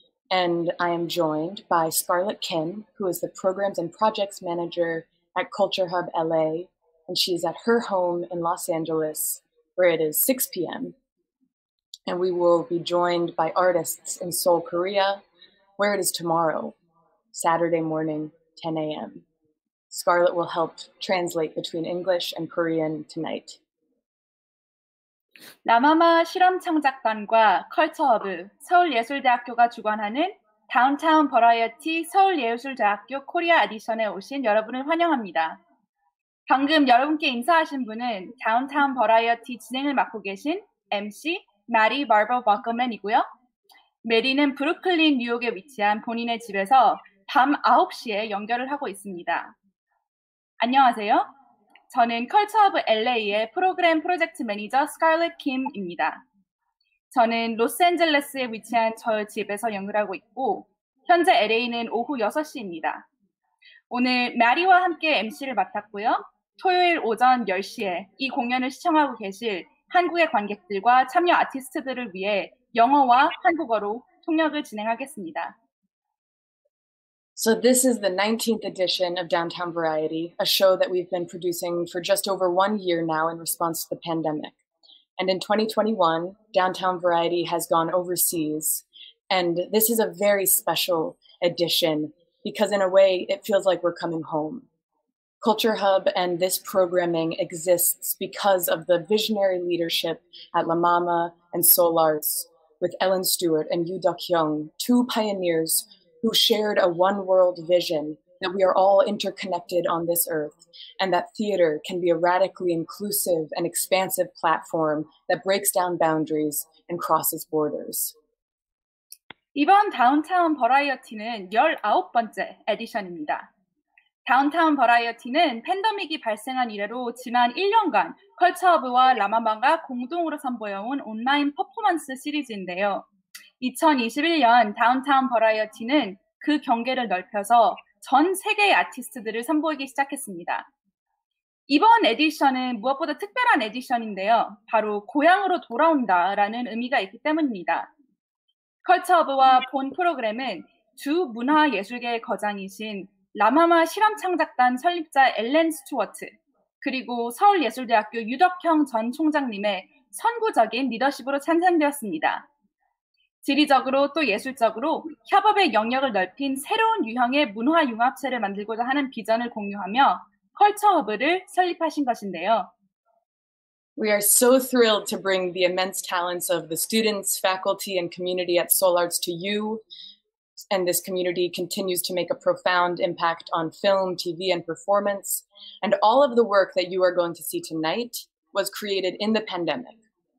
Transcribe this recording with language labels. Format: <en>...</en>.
<en>And I am joined by Scarlett Kim, who is the Programs and Projects Manager at CultureHub LA, and she is at her home in Los Angeles, where it is 6 p.m. And we will be joined by artists in Seoul, Korea, where it is tomorrow, Saturday morning, 10 a.m. Scarlett will help translate between English and Korean tonight.</en> <ko>라마마 실험창작반과 컬처허브, 서울예술대학교가 주관하는 다운타운 버라이어티 서울예술대학교 코리아 에디션에 오신 여러분을 환영합니다. 방금 여러분께 인사하신 분은 다운타운 버라이어티 진행을 맡고 계신 MC, 마리 마르버 버클맨이고요. 메리는 브루클린 뉴욕에 위치한 본인의 집에서 밤 9시에 연결을 하고 있습니다. 안녕하세요. 저는 컬처허브 LA의 프로그램 프로젝트 매니저 스칼렛 김입니다. 저는 로스앤젤레스에 위치한 저의 집에서 연결하고 있고 현재 LA는 오후 6시입니다. 오늘 마리와 함께 MC를 맡았고요. 토요일 오전 10시에 이 공연을 시청하고 계실 한국의 관객들과 참여 아티스트들을 위해 영어와 한국어로 통역을 진행하겠습니다.</ko> <en>So this is the 19th edition of Downtown Variety, a show that we've been producing for just over 1 year now in response to the pandemic. And in 2021, Downtown Variety has gone overseas. And this is a very special edition because in a way it feels like we're coming home. Culture Hub and this programming exists because of the visionary leadership at LaMama and SeoulArts with Ellen Stewart and Yoo Duk-young, two pioneers who shared a one world vision that we are all interconnected on this earth and that theater can be a radically inclusive and expansive platform that breaks down boundaries and crosses borders.</en> <ko>이번 다운타운 버라이어티는 19번째 에디션입니다. 다운타운 버라이어티는 팬데믹이 발생한 이래로 지난 1년간 컬처허브와 라마마가 공동으로 선보여온 온라인 퍼포먼스 시리즈인데요. 2021년 다운타운 버라이어티는 그 경계를 넓혀서 전 세계의 아티스트들을 선보이기 시작했습니다. 이번 에디션은 무엇보다 특별한 에디션인데요. 바로 고향으로 돌아온다라는 의미가 있기 때문입니다. 컬처허브와 본 프로그램은 두 문화예술계의 거장이신 라마마 실험창작단 설립자 엘렌 스튜어트, 그리고 서울예술대학교 유덕형 전 총장님의 선구적인 리더십으로 찬성되었습니다. 지리적으로 또 예술적으로 협업의 영역을 넓힌 새로운 유형의 문화융합체를 만들고자 하는 비전을 공유하며 컬처허브를 설립하신 것인데요.</ko> <en>We are so thrilled to bring the immense talents of the students, faculty, and community at SeoulArts to you. And this community continues to make a profound impact on film, TV, and performance. And all of the work that you are going to see tonight was created in the pandemic.</en>